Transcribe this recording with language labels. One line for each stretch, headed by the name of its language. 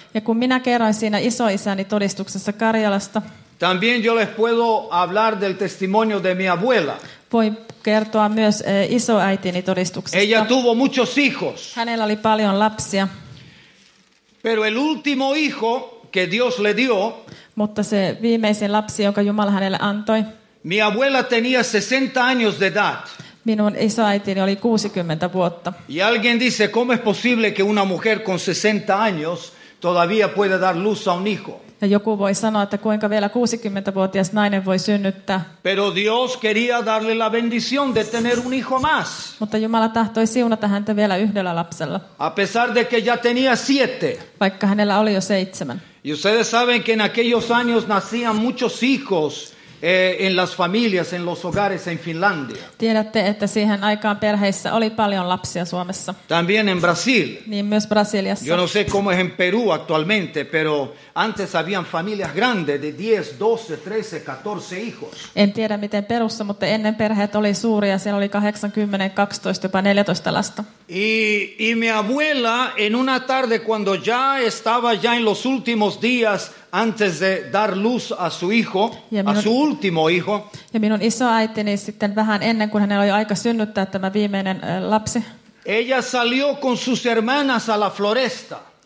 Finnish: Ja kun minä kerroin siinä isoisäni todistuksessa Karjalasta.
Spanish: También yo les puedo hablar del testimonio de mi abuela.
Finnish: Voi kertoa myös isoäitini todistuksesta.
Spanish: Ella tuvo muchos hijos.
Finnish: Hänellä oli paljon lapsia.
Spanish: Pero el último hijo que Dios le dio,
Finnish: mutta se viimeisin lapsi, jonka Jumala hänelle antoi.
Spanish: Mi abuela tenía 60 años de edad.
Finnish: Minun isoäitini oli 60 vuotta.
Spanish: Y alguien dice, ¿cómo es posible que una mujer con 60 años todavía puede dar luz a un hijo?
Finnish: Ja joku voi sanoa, että kuinka vielä 60-vuotias nainen voi synnyttää.
Spanish: Pero Dios quería darle la bendición de tener un hijo más.
Finnish: Mutta Jumala tahtoi siunata häntä vielä yhdellä lapsella.
Spanish: A pesar de que ya tenía 7.
Finnish: Vaikka hänellä oli jo 7.
Spanish: Y ustedes saben que en aquellos años nacían muchos hijos en las familias, en los hogares en Finlandia.
Finnish: Tiedätte, että siihen aikaan perheissä oli paljon lapsia Suomessa.
Spanish: También en Brasil.
Finnish: Niin myös Brasiliassa.
Spanish: Yo no sé cómo es en Perú actualmente, pero antes habían familias grandes de 10, 12, 13, 14 hijos.
Finnish: En tiedä miten Perussa, mutta ennen perheet oli suuria, siellä oli 80, 12, jopa 14 lasta.
Spanish: Y mi abuela en una tarde cuando ya estaba ya en los últimos días antes de dar luz a su hijo, a su último hijo.
Finnish: Ja minun isoäitini sitten vähän ennen kuin hänellä oli aika synnyttää tämä viimeinen lapsi.
Spanish: Ella salió con sus hermanas a la floresta.